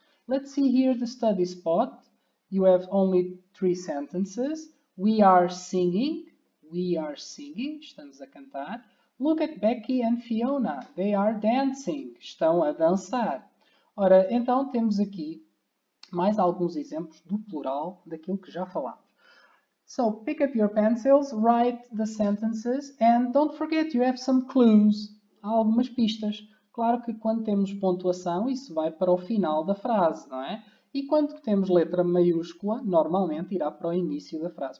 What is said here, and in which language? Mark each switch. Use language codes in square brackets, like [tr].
[en] Let's see here the study spot. You have only three sentences. We are singing. We are singing. [pt] Estamos a cantar. [en] Look at Becky and Fiona. They are dancing. [pt] Estão a dançar. Ora, então temos aqui mais alguns exemplos do plural daquilo que já falámos. [en] So, pick up your pencils, write the sentences, and don't forget, you have some clues. [pt] Há algumas pistas. Claro que quando temos pontuação, isso vai para o final da frase, não é? E quando temos letra maiúscula, normalmente irá para o início da frase.